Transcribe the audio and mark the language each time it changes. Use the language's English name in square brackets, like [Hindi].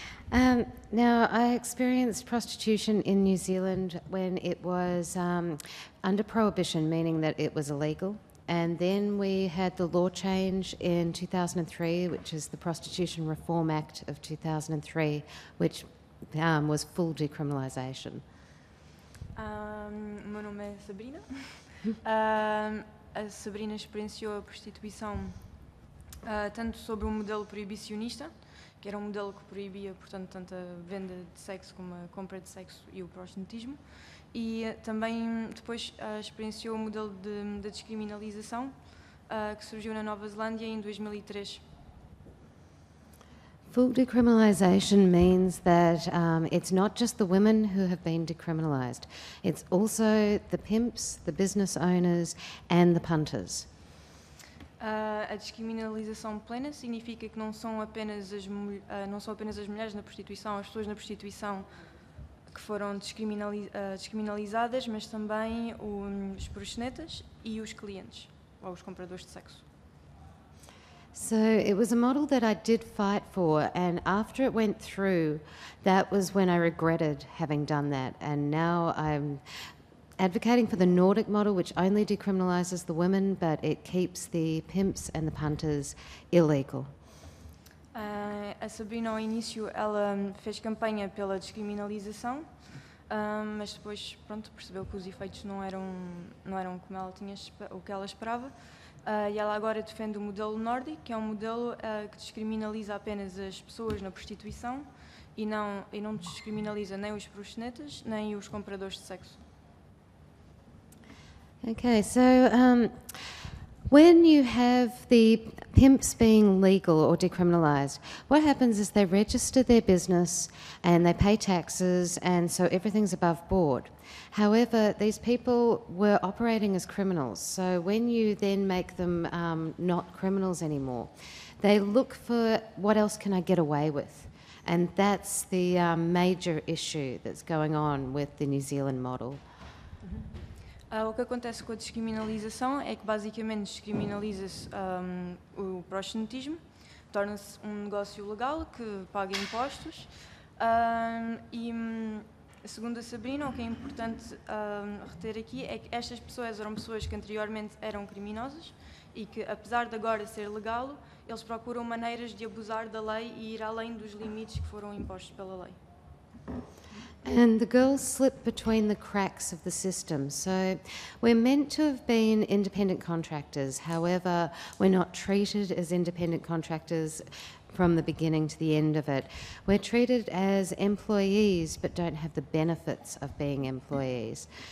[English] Now, I experienced prostitution in New Zealand when it was under prohibition, meaning that it was illegal. And then we had the law change in 2003, which is the Prostitution Reform Act of 2003, which was full decriminalisation. [Portuguese] Meu nome é Sabrina. A Sabrina experienciou a prostituição tanto sobre um modelo proibicionista, que era um modelo que proibia, portanto, tanto a venda de sexo como a compra de sexo e o prostitutismo, e também depois experienciou o modelo de descriminalização que surgiu na Nova Zelândia em 2003. [English] Full decriminalization means that it's not just the women who have been decriminalized, it's also the pimps, the business owners and the punters. [Portuguese] A descriminalização plena significa que não são apenas as mulheres na prostituição, as pessoas na prostituição que foram descriminalizadas, mas também os proxenetas e os clientes, ou os compradores de sexo. [English] So it was a model that I did fight for, and after it went through, that was when I regretted having done that, and now I'm advocating for the Nordic model, which only decriminalizes the women, but it keeps the pimps and the punters illegal. [Portuguese] A Sabrina, ao início, ela fez campanha pela descriminalização, mas depois, pronto, percebeu que os efeitos não eram como ela tinha o que ela esperava. E ela agora defende o modelo Nordic, que é um modelo que descriminaliza apenas as pessoas na prostituição e não descriminaliza nem os proxenetas, nem os compradores de sexo. [English] Okay, so when you have the pimps being legal or decriminalized, what happens is they register their business and they pay taxes, and so everything's above board. However, these people were operating as criminals, so when you then make them not criminals anymore, they look for what else can I get away with? And that's the major issue that's going on with the New Zealand model. [Portuguese] O que acontece com a descriminalização é que basicamente descriminaliza-se o proxenetismo, torna-se um negócio legal que paga impostos e, segundo a Sabrina, o que é importante reter aqui é que estas pessoas eram pessoas que anteriormente eram criminosas e que, apesar de agora ser legal, eles procuram maneiras de abusar da lei e ir além dos limites que foram impostos pela lei. [English] And the girls slip between the cracks of the system. So we're meant to have been independent contractors. However, we're not treated as independent contractors from the beginning to the end of it. We're treated as employees but don't have the benefits of being employees.